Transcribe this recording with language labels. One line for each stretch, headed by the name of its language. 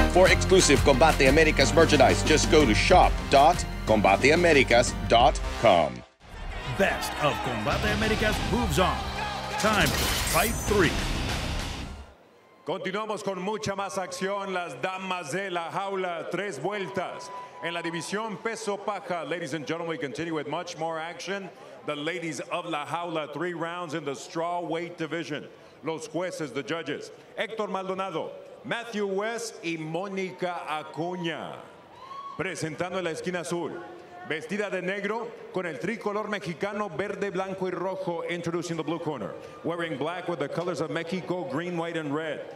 English: Exclusive Combate Americas merchandise. Just go to shop.combateamericas.com. Best of Combate Americas moves on. Time for fight three.
Spanish: Continuamos con mucha más acción. Las damas de la jaula, tres vueltas en la división peso paja.
English: Ladies and gentlemen, we continue with much more action. The ladies of la jaula, three rounds in the straw weight division.
Spanish: Los jueces,
English: the judges,
Spanish: Hector Maldonado, Matthew West y Mónica Acuña. Presentando en la esquina azul, vestida de negro con el tricolor mexicano, verde, blanco y rojo.
English: Introducing the blue corner, wearing black with the colors of Mexico, green, white and red.